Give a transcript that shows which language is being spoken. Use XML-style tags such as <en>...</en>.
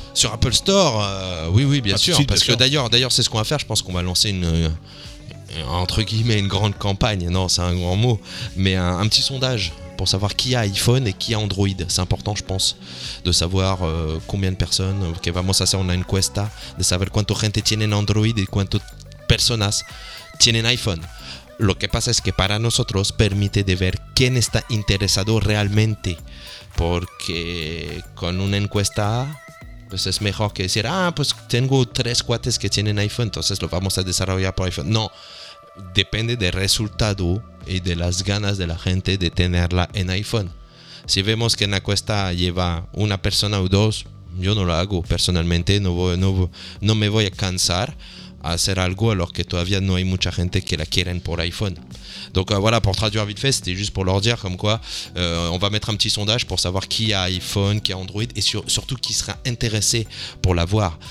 <fr>Sur Apple Store, oui, bien sûr. Parce que d'ailleurs, c'est ce qu'on va faire. Je pense qu'on va lancer entre guillemets, une grande campagne. Non, c'est un grand mot. Mais un petit sondage pour savoir qui a iPhone et qui a Android. C'est important, je pense, de savoir combien de personnes.</fr> <es>Ok, vamos a hacer una encuesta de saber cuánto gente tiene Android y cuánto personas tienen iPhone. Lo que pasa es que para nosotros permite de ver quién está interesado realmente. Porque con una encuesta, pues es mejor que decir, pues tengo tres cuates que tienen iPhone, entonces lo vamos a desarrollar por iPhone. No, depende del resultado y de las ganas de la gente de tenerla en iPhone. Si vemos que en la encuesta lleva una persona o dos, yo no lo hago personalmente, no me voy a cansar a hacer algo</es> <fr>alors que</fr> <es>todavía no hay mucha gente que la quieren por iPhone.</es> <fr>Donc voilà, pour traduire vite fait, c'était juste pour leur dire comme quoi on va mettre un petit sondage pour savoir qui a iPhone, qui a Android et surtout qui sera intéressé pour l'avoir.</fr>